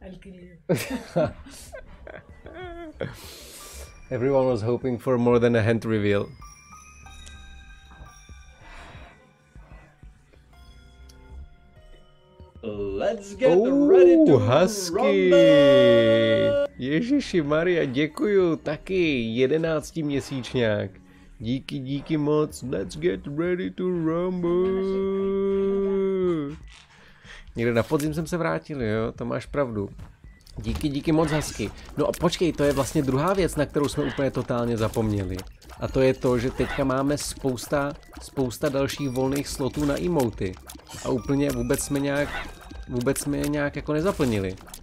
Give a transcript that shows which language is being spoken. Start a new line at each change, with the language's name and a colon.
English: I'll kill you. Everyone was hoping for more than a hint reveal. Let's get ready to rumble. Husky.
Czech: Ježiši Maria, děkuju taky. 11 měsíčňák. Díky moc.
English: Let's get ready to rumble.
Czech: Někde na podzim jsem se vrátil, jo, to máš pravdu. Díky moc, hezky. No a počkej, to je vlastně druhá věc, na kterou jsme úplně totálně zapomněli. A to je to, že teďka máme spousta dalších volných slotů na emoty. A úplně vůbec jsme nějak jako nezaplnili.